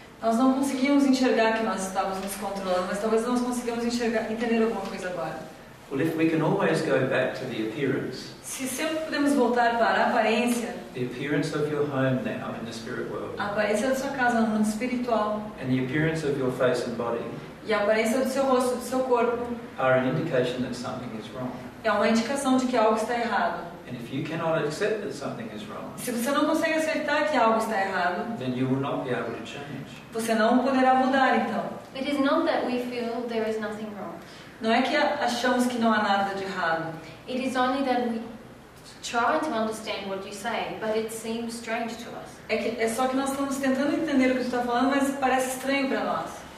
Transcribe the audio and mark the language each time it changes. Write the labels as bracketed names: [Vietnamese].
[Portuguese] Nós não conseguimos enxergar que nós estávamos nos controlando, mas talvez nós conseguimos enxergar, entender alguma coisa agora. [English] Well, if we can always go back to the appearance. [Portuguese] Se sempre podemos voltar para a aparência. [English] The appearance of your home now in the spirit world. [Portuguese] A aparência da sua casa no mundo espiritual. [English] And the appearance of your face and body. [Portuguese] E a aparência do seu rosto, do seu corpo. [English] Are an indication that something is wrong. [Portuguese] É uma indicação de que algo está errado. [English] And if you cannot accept that something is wrong, [Portuguese] se você não consegue aceitar que algo está errado, [English] then you will not be able to change. [Portuguese] Você não poderá mudar, então. [English] It is not that we feel there is nothing wrong. [Portuguese] Não é que achamos que não há nada de errado. [English] It is only that we try to understand what you say, but it seems strange to us. [Portuguese] É só que nós estamos tentando entender o que você está falando, mas parece estranho para nós.